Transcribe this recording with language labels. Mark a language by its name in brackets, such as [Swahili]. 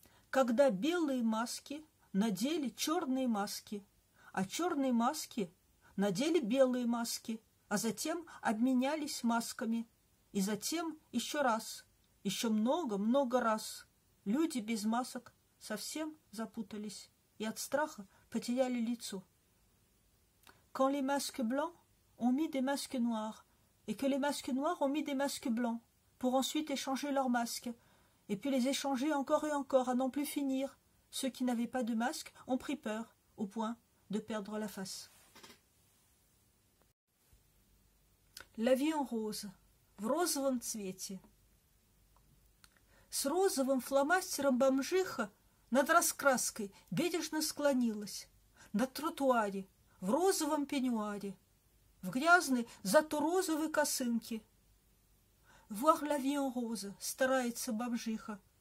[Russian] Когда белые маски надели черные маски, а черные маски надели белые маски, а затем обменялись масками, и затем еще раз, еще много-много раз люди без масок совсем запутались и от страха потеряли лицо. [French] Quand les masques blancs ont mis des masques noirs, et que les masques noirs ont mis des masques blancs, pour ensuite échanger leurs masques, et puis les échanger encore et encore, à n'en plus finir. Ceux qui n'avaient pas de masque ont pris peur, au point de perdre la face. La vie en rose, [Russian] в розовом цвете. С розовым фломастером бомжиха над раскраской бережно склонилась, на тротуаре, в розовом пеньюаре, в грязной, зато розовой косынке. [French] «Voir la vie en rose», — [Russian] старается бомжиха.